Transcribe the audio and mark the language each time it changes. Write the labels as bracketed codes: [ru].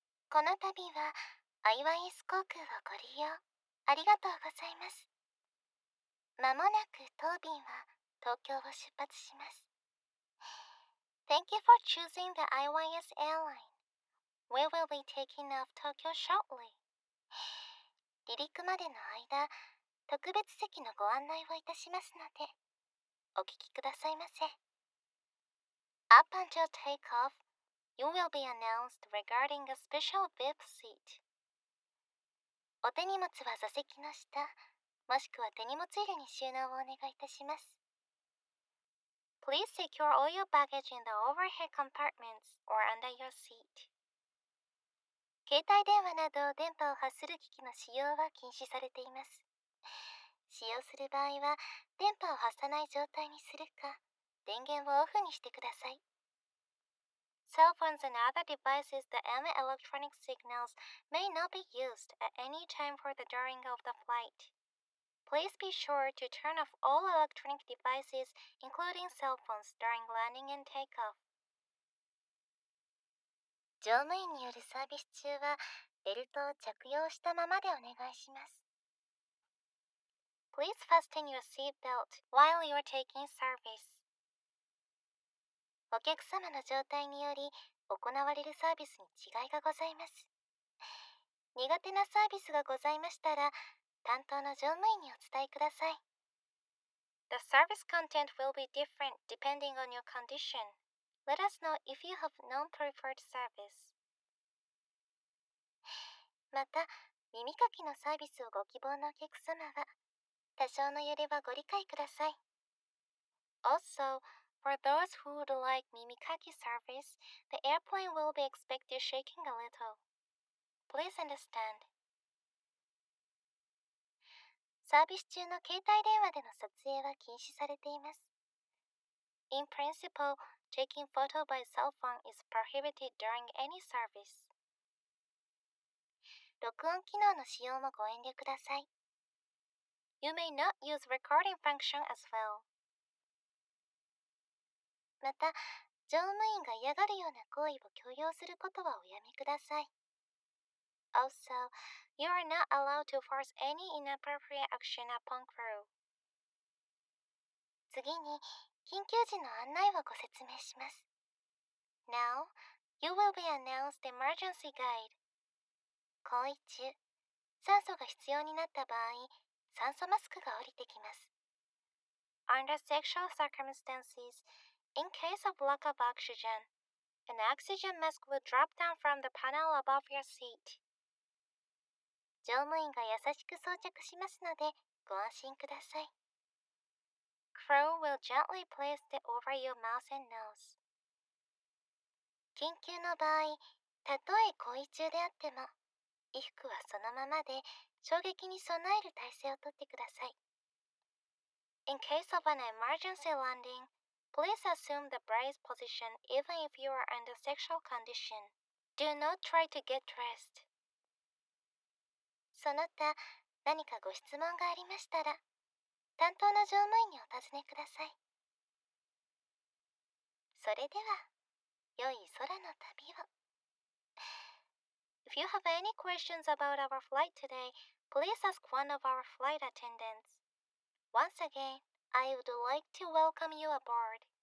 [ja] この度はアイワイス航空をご利用ありがとうございます。まもなく当便は東京を出発します。 [en] Thank you for choosing the IYS airline. We will be taking off Tokyo shortly. [ja] 離陸までの間、特別席のご案内をいたしますので、お聞きくださいませ。 [en] Up until takeoff, you will be announced regarding a special VIP seat. [ja] お手荷物は座席の下、もしくは手荷物入れに収納をお願いいたします。 [en] Please secure all your baggage in the overhead compartments or under your seat. [ja] 携帯電話など電波を発する機器の使用は禁止されています。使用する場合は電波を発さない状態にするか、電源をオフにしてください。 [en] Cell phones and other devices that emit electronic signals may not be used at any time for the during of the flight. Please be sure to turn off all electronic devices, including cell phones, during landing and takeoff. [ja] 乗務員によるサービス中は、ベルトを着用したままでお願いします。 [en] Please fasten your seatbelt while you are taking service. [ja] お客様の状態により、行われるサービスに違いがございます。苦手なサービスがございましたら、担当の乗務員にお伝えください。 [en] The service content will be different depending on your condition. Let us know if you have non-preferred service. [ja] また、耳かきのサービスをご希望のお客様は、多少の揺れはご理解ください。 [en] Also, for those who would like 耳かき service, the airplane will be expected shaking a little. Please understand. [ja] サービス中の携帯電話での撮影は禁止されています。 [en] In principle, taking photo by cell phone is prohibited during any service. [ja] 録音機能の使用もご遠慮ください。 [en] You may not use recording function as well. [ja] また、乗務員が嫌がるような行為を強要することはおやめください。 [en] Also, you are not allowed to force any inappropriate action upon crew. [ja] 次に、緊急時の案内をご説明します。 [en] Now, you will be announced emergency guide. [ja] 行為中、酸素が必要になった場合、酸素マスクが降りてきます。 [en] Under special circumstances, in case of lack of oxygen, an oxygen mask will drop down from the panel above your seat. [ja] 乗務員が優しく装着しますので、ご安心ください。 [en] Crew will gently place it over your mouth and nose. [ja] 緊急の場合、たとえ行為中であっても、衣服はそのままで、衝撃に備える体勢をとってください。 [en] In case of an emergency landing, please assume the braced position even if you are under sexual condition. Do not try to get dressed. [ja] その他、何かご質問がありましたら、担当の乗務員にお尋ねください。それでは、良い空の旅を。 [en] If you have any questions about our flight today, please ask one of our flight attendants. Once again, I would like to welcome you aboard.